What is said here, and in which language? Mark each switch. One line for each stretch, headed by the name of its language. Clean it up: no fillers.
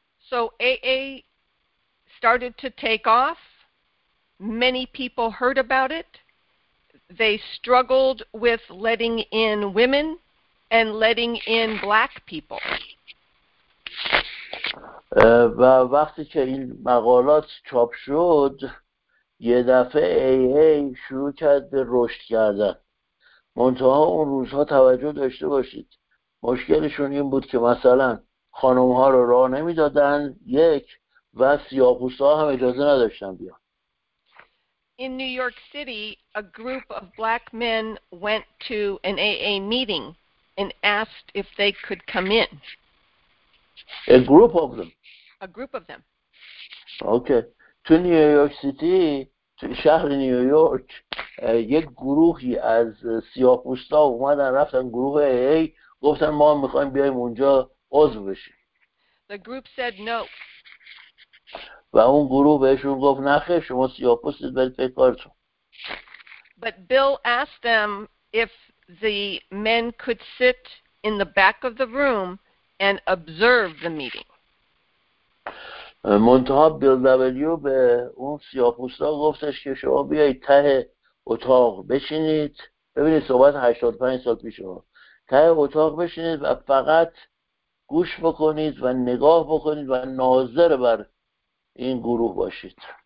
English: So AA started to take off. Many people heard about it they struggled with letting in women and letting in black people.
Persian: و وقتی که این مقالات چاپ شد یه دفعه AA شروع کرد به رشد کردن. منتها اون روزها توجه داشته باشید مشکلشون این بود که مثلا خانوم ها رو راه نمی دادن یک و سیاه‌پوست ها هم اجازه نداشتن بیان.
English: In New York City, a group of black men went to an AA meeting and asked if they could come in. A group of them. A group of them. Okay. To New York City, to
Persian: شهر New York, یک گروهی از سیاه‌پوستا اومدن رفتن گروه AA گفتن ما می‌خوایم بیایم اونجا عضو بشیم.
English: The group said no.
Persian: و اون گروه بهشون گفت نخیر شما سیاه‌پوستید برید پی کارتون.
English: But Bill asked them if the men could sit in the back of the room and observe the meeting.
Persian: منتها بیل دبلیو به اون سیاه‌پوستا گفتش که شما بیایید ته اتاق بشینید. ببینید صحبت 85 سال پیش بود. ته اتاق بشینید و فقط گوش بکنید و نگاه بکنید و ناظر بر این گروه باشید.